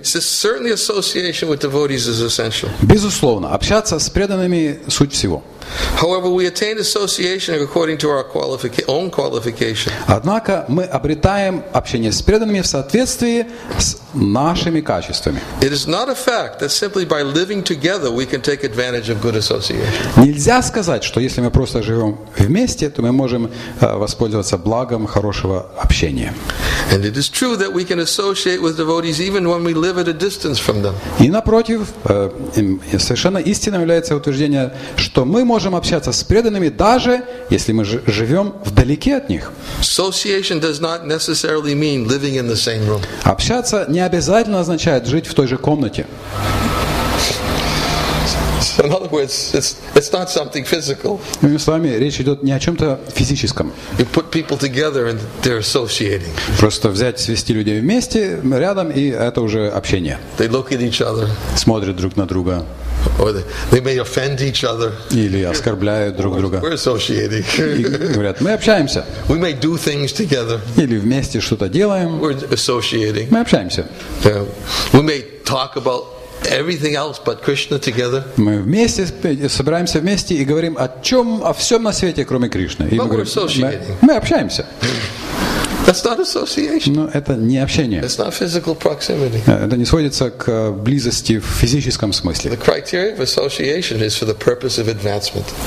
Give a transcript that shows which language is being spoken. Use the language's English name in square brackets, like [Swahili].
[English] Certainly association with devotees is essential. [Russian] Безусловно, общаться с преданными суть всего. [English] However, we attain association according to our own qualification. [Russian] Однако мы обретаем общение с преданными в соответствии с нашими качествами. [English] It is not a fact that simply by living together we can take advantage of good association. [Russian] Нельзя сказать, что если мы просто живем вместе, то мы можем воспользоваться благом хорошего общения. [English] And it is true that we can associate with devotees even when we live at a distance from them. [Russian] И напротив, совершенно истинным является утверждение, что мы можем общаться с преданными даже если мы живем вдалеке от них. [English] Association does not necessarily mean living in the same room. [Russian] Общаться не обязательно означает жить в той же комнате. [English] So in other words, it's not something physical. [Russian] Иными словами, речь идет не о чем-то физическом. [English] You put people together and they're associating. [Russian] Просто взять, свести людей вместе, рядом, и это уже общение. [English] They look at each other. [Russian] Смотрят друг на друга. [English] Or they may offend each other. [Russian] Или оскорбляют друг друга. [English] We're associating. [Russian] И говорят, мы общаемся. [English] We may do things together. [Russian] Или вместе что-то делаем. [English] We're associating. [Russian] Мы общаемся. [English] We may talk about everything else but Krishna together. [Russian] Мы вместе собираемся вместе и говорим о чем, о всем на свете, кроме Кришны. [English] But we're associating. [Russian] Мы общаемся. [English] That's not association. [Russian] Но это не общение. [English] It's not physical proximity. [Russian] Это не сводится к близости в физическом смысле. [English] The criteria of association is for the purpose of advancement.